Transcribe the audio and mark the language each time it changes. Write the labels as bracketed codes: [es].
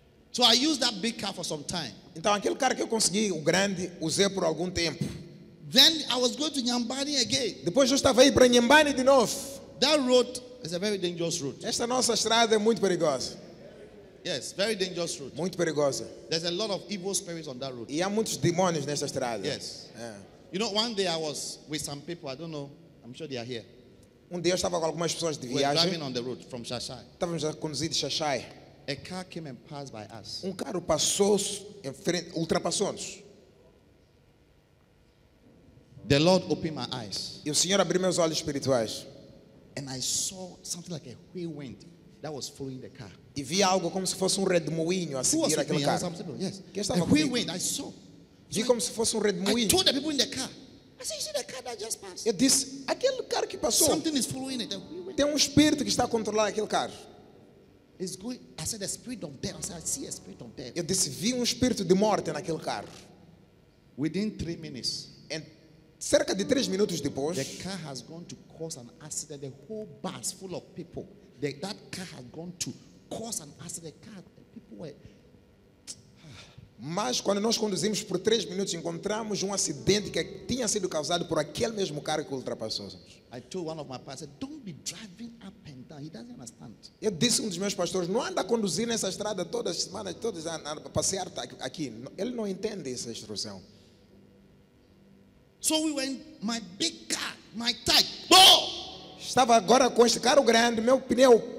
[en] So I used that big car for some time. [pt] Então aquele carro que eu consegui, o grande, usei por algum tempo. [en] Then I was going to Nyambani again. [pt] Depois eu estava aí para Nyambani de novo. [en] That road is a very dangerous road. [pt] Esta nossa estrada é muito perigosa. [en] Yes, very dangerous road. [pt] Muito perigosa. [en] There's a lot of evil spirits on that road. [pt] E há muitos demônios nessa estrada. [en] Yes. You know, one day I was with some people. I don't know. I'm sure they are here. [pt] Dia eu estava com algumas pessoas de viagem. [en] We're driving on the road from Shashai. [pt] Estávamos a conduzir de Shashai. [en] A car came and passed by us. [pt] Carro passou em frente, ultrapassou-nos. [en] The Lord opened my eyes. [pt] E o Senhor abriu meus olhos espirituais. [en] And I saw something like a whirlwind that was following the car. [pt] E vi algo como se fosse redemoinho a seguir aquele carro. [en] Yes. [pt] Quem estava [en] a whirlwind, I saw. [pt] Vi como se fosse redemoinho. [en] I told the people in the car. I said, you see the car that just passed. [pt] Eu disse, aquele carro que passou. [en] Something is following it. The whirlwind. [pt] Tem espírito que está a controlar aquele carro. [en] It's going. I said, the spirit of death. I said, I see a spirit of death. [pt] Eu disse, vi espírito de morte naquele carro. [en] Within 3 minutes. [pt] And cerca de 3 minutos depois, [en] the car has gone to cause an accident. The whole bus full of people. That car has gone to cause an accident. The car, the people were. [pt] Mas quando nós conduzimos por 3 minutos, encontramos acidente que tinha sido causado por aquele mesmo carro que ultrapassou-nos. [en] I told one of my pastors, don't be driving up and down. He doesn't understand. [pt] Eu disse dos meus pastores, não anda a conduzir nessa estrada todas as semanas, todas a passear aqui. Ele não entende essa instrução. [en] So we went, my big car, my tire, boom! [pt] Estava agora com este carro grande, meu pneu.